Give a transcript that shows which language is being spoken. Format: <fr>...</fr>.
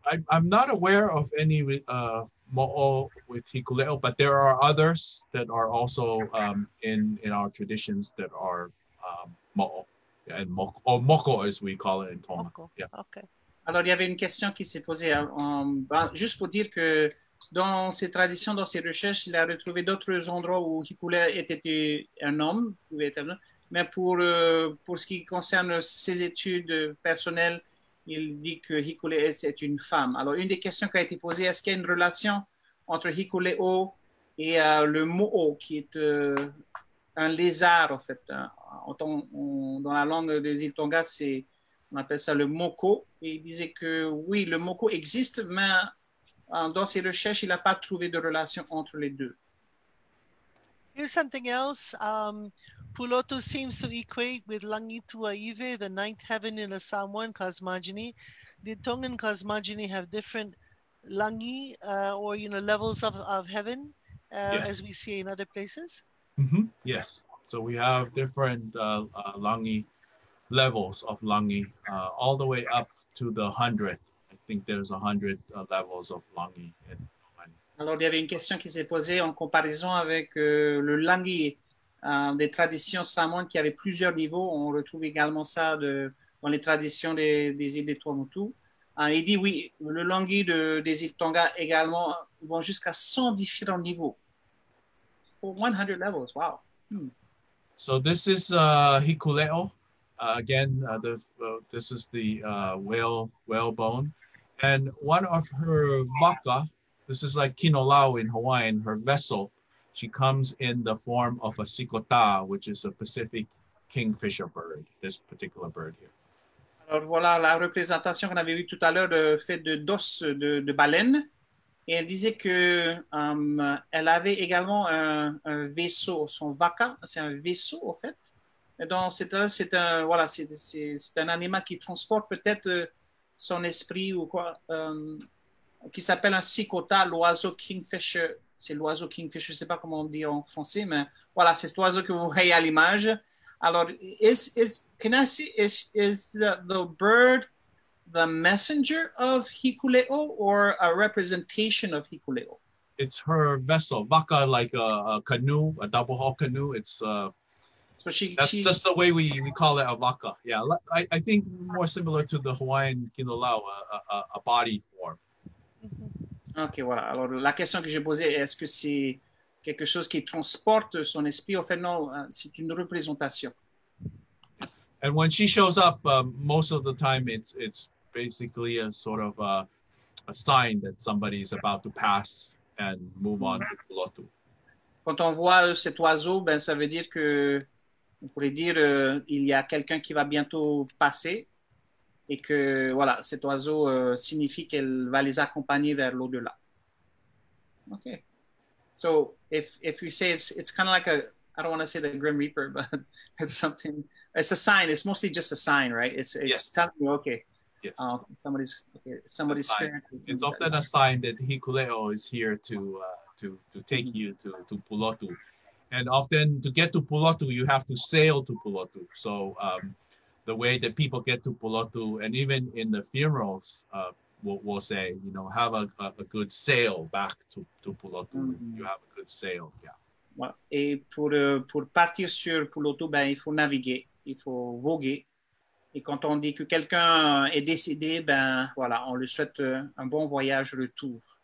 <en>I'm not aware of any mo'o with Hikuleʻo, but there are others that are also in our traditions that are mo'o and moko as we call it in Tonga. Yeah. Okay.</en> <fr>Alors, il y avait une question qui s'est posée. Juste pour dire que dans ses traditions, dans ses recherches, il a retrouvé d'autres endroits où Hikuleʻo était un homme. Mais pour ce qui concerne ses études personnelles, il dit que Hikuleʻo est une femme. Alors, une des questions qui a été posée, est-ce qu'il y a une relation entre Hikuleʻo et le mo'o, qui est un lézard, en fait. Dans la langue des îles Tonga, on appelle ça le moko. Et il disait que oui, le moko existe, mais dans ses recherches, il n'a pas trouvé de relation entre les deux.</fr> <en>Here's something else. Pulotu seems to equate with Langituaive, the ninth heaven in the Samoan cosmogony. Did Tongan cosmogony have different langi or levels of heaven as we see in other places? Mm-hmm. Yes. So we have different langi levels of langi all the way up to the 100th. I think there's 100 levels of langi.</en> <fr>Alors, il y avait une question qui s'est posée en comparaison avec le langi des traditions samoanes qui avait plusieurs niveaux. On retrouve également ça dans les traditions des îles de Tuamotu. Il dit, oui, le langi des îles Tonga également vont jusqu'à 100 différents niveaux.</fr> <en>For 100 levels, wow. Hmm. So this is Hikuleʻo. This is the whale bone. And one of her maka, this is like Kinolau in Hawaiian, her vessel. She comes in the form of a sikota, which is a Pacific kingfisher bird, this particular bird here.</en> <fr>Alors voilà la représentation qu'on avait vu tout à l'heure de fait de dos de baleine. Et elle disait que elle avait également un vaisseau, son vaka, c'est un vaisseau en fait. Et donc c'est un animal qui transporte peut-être son esprit ou quoi. Qui s'appelle un sikota, l'oiseau kingfisher. C'est l'oiseau kingfisher, je ne sais pas comment on dit en français, mais voilà, c'est cet oiseau que vous voyez à l'image.</fr> <en>Alors, is the bird the messenger of Hikuleʻo or a representation of Hikuleʻo? It's her vessel, vaka, like a canoe, a double hull canoe. It's just the way we call it, a vaka. Yeah, I think more similar to the Hawaiian kinolau, a body form.</en> <fr>Ok, voilà. Alors, la question que j'ai posée, est-ce que c'est quelque chose qui transporte son esprit? En fait, non, c'est une représentation. And when she shows up, most of the time, it's basically a sort of a sign that somebody is about to pass and move on to Pulotu. Quand on voit cet oiseau, ben, ça veut dire que, on pourrait dire, il y a quelqu'un qui va bientôt passer. Et que, voilà, cet oiseau signifie qu'elle va les accompagner vers l'au-delà.</fr> <en>Okay. So, if we say it's kind of like a, I don't want to say the Grim Reaper, but it's something, it's a sign, it's mostly just a sign, right? It's telling you, okay. Yes. Somebody's spirit. It's often a sign that Hikuleʻo is here to take you to Pulotu. And often, to get to Pulotu, you have to sail to Pulotu. So, the way that people get to Pulotu, and even in the funerals, we'll say, have a good sail back to Pulotu. Mm-hmm. You have a good sail, yeah.</en> <fr>Well, et pour partir sur Pulotu, ben il faut naviguer, il faut voguer. Et quand on dit que quelqu'un est décédé, ben voilà, on lui souhaite un bon voyage retour.</fr>